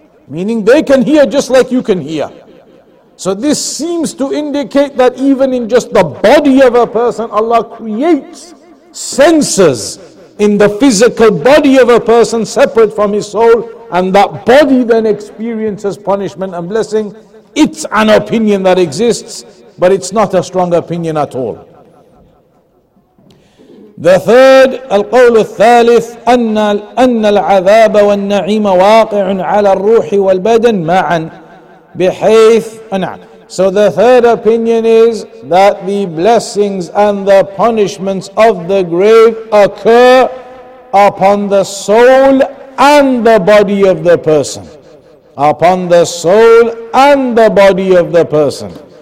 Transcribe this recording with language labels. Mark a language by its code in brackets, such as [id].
[en] Meaning they can hear just like you can hear. So this seems to indicate that even in just the body of a person, Allah creates senses in the physical body of a person separate from his soul, and that body then experiences punishment and blessing. It's an opinion that exists, but it's not a strong opinion at all. The third, [ar] القول الثالث أن العذاب والنعيم واقع على الروح والبدن معا بحيث نعم. [en] So the third opinion is that the blessings and the punishments of the grave occur upon the soul and the body of the person. Upon the soul and the body of the person.